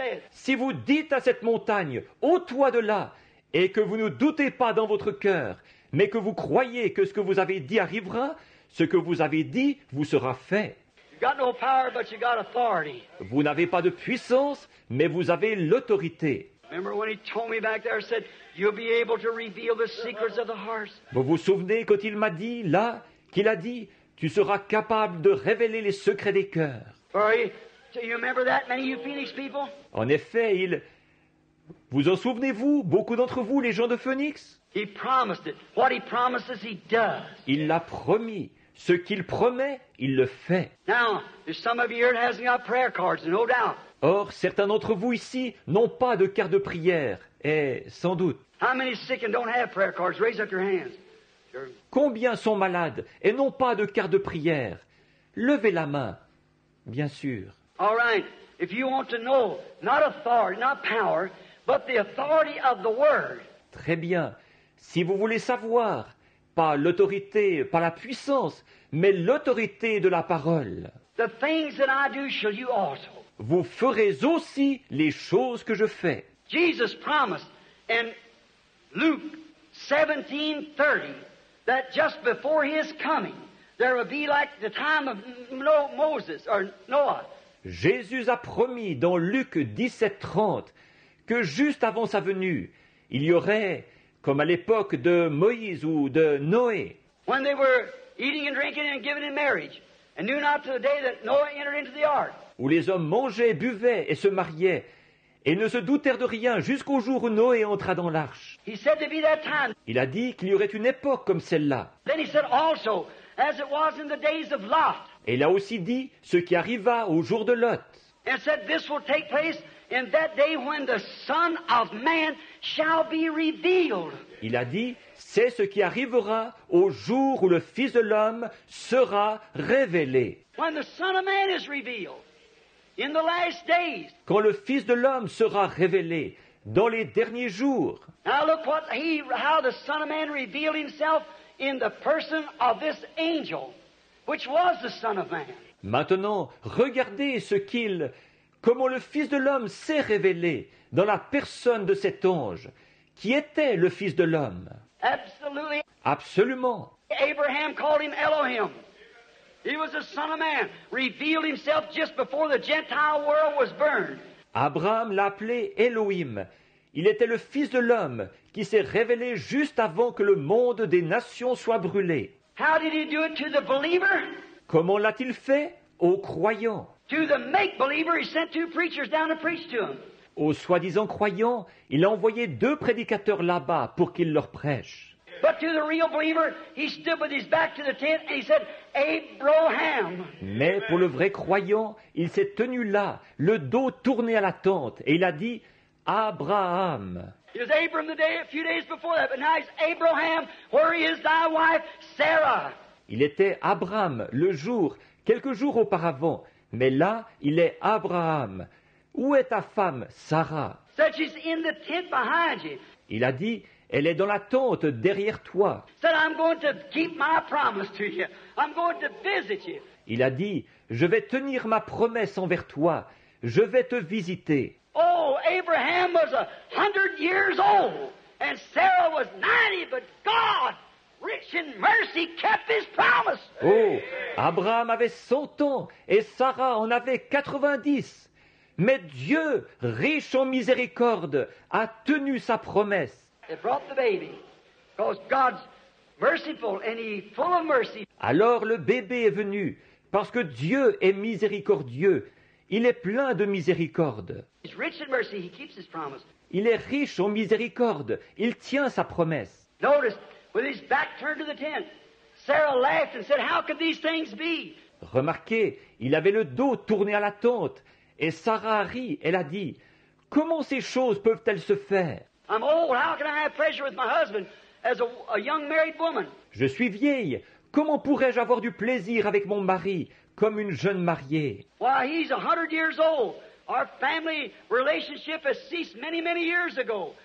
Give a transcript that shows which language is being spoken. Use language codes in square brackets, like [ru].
[fr] Si vous dites à cette montagne, ôte-toi de là, et que vous ne doutez pas dans votre cœur, mais que vous croyez que ce que vous avez dit arrivera, ce que vous avez dit vous sera fait. [en] Got no power, but you got authority. [fr] Vous n'avez pas de puissance, mais vous avez l'autorité. [en] Remember when he told me back there, said, you'll be able to reveal the secrets of the heart. [fr] Vous vous souvenez quand il m'a dit là, qu'il a dit, tu seras capable de révéler les secrets des cœurs. [en] Do you remember that, many of you Phoenix people? [fr] En effet, il... Vous en souvenez-vous, beaucoup d'entre vous, les gens de Phoenix? [en] He promised it. What he promises, he does. [fr] Il l'a promis. Ce qu'il promet, il le fait. [en] Now, there's some of you here that hasn't got prayer cards, no doubt. [fr] Or, certains d'entre vous ici n'ont pas de carte de prière, et sans doute. [en] How many sick and don't have prayer cards? Raise up your hands. Sure. [fr] Combien sont malades et n'ont pas de carte de prière? Levez la main, bien sûr. [en] All right. If you want to know, not authority, not power, but the authority of the word. [fr] Très bien. Si vous voulez savoir. Pas l'autorité, pas la puissance, mais l'autorité de la parole. [en] The things that I do shall you also. [fr] Vous ferez aussi les choses que je fais. [en] Jesus promised in Luke 17:30 that just before his coming there would be like the time of Moses or Noah. [fr] Jésus a promis dans Luc 17:30 que juste avant sa venue, il y aurait comme à l'époque de Moïse ou de Noé. [en] When they were eating and drinking and giving in marriage and knew not to the day that Noah entered into the ark. [fr] Où les hommes mangeaient, buvaient et se mariaient et ne se doutèrent de rien jusqu'au jour où Noé entra dans l'arche. [en] He said there'd be that time. [fr] Il a dit qu'il y aurait une époque comme celle-là. [en] Then he said also as it was in the days of Lot. [fr] Et il a aussi dit ce qui arriva au jour de Lot. [en] And said this will take place in that day when the Son of Man shall be revealed. [fr] Il a dit, c'est ce qui arrivera au jour où le Fils de l'homme sera révélé. [en] When the Son of Man is revealed, in the last days. [fr] Quand le Fils de l'homme sera révélé, dans les derniers jours. [en] Now look what he, how the Son of Man revealed himself in the person of this angel, which was the Son of Man. [fr] Maintenant, regardez ce qu'il... Comment le Fils de l'homme s'est révélé dans la personne de cet ange qui était le Fils de l'homme. [en] Absolutely. [fr] Absolument. [en] Abraham called him Elohim. He was the Son of Man, revealed himself just before the Gentile world was burned. [fr] Abraham l'appelait Elohim. Il était le Fils de l'homme qui s'est révélé juste avant que le monde des nations soit brûlé. [en] How did he do it to the believer? [fr] Comment l'a-t-il fait aux croyants? [en] To the make-believer, he sent two preachers down to preach to him. [fr] Aux soi-disant croyants, il a envoyé deux prédicateurs là-bas pour qu'ils leur prêchent. [en] But to the real believer, he stood with his back to the tent and he said, Abraham. [fr] Mais pour le vrai croyant, il s'est tenu là, le dos tourné à la tente, et il a dit, Abraham. [en] He was Abram the day, a few days before that, but now he's Abraham. Where is thy wife, Sarah? [fr] Il était Abraham le jour, quelques jours auparavant. Mais là, il est Abraham. Où est ta femme, Sarah? [en] Said she's in the tent behind you. [fr] Il a dit, elle est dans la tente derrière toi. [en] Said I'm going to keep my promise to you. I'm going to visit you. [fr] Il a dit, je vais tenir ma promesse envers toi. Je vais te visiter. [en] Oh, Abraham was 100 years old. and Sarah was 90, but God, rich in mercy, kept his promise. [fr] Oh, Abraham avait 100 ans et Sarah en avait 90. Mais Dieu, riche en miséricorde, a tenu sa promesse. [en] They brought the baby, because God's merciful and he's full of mercy. [fr] Alors le bébé est venu, parce que Dieu est miséricordieux. Il est plein de miséricorde. [en] He's rich in mercy, he keeps his promise. [fr] Il est riche en miséricorde, il tient sa promesse. [en] Notice, with his back turned to the tent, Sarah laughed and said, how could these things be? [fr] Remarquez, il avait le dos tourné à la tente, et Sarah rit, elle a dit, comment ces choses peuvent-elles se faire? [en] I'm old, how can I have pleasure with my husband as a young married woman? [fr] Je suis vieille, comment pourrais-je avoir du plaisir avec mon mari comme une jeune mariée? [en] Why, he's 100 years old. Our family relationship has ceased many, many years ago.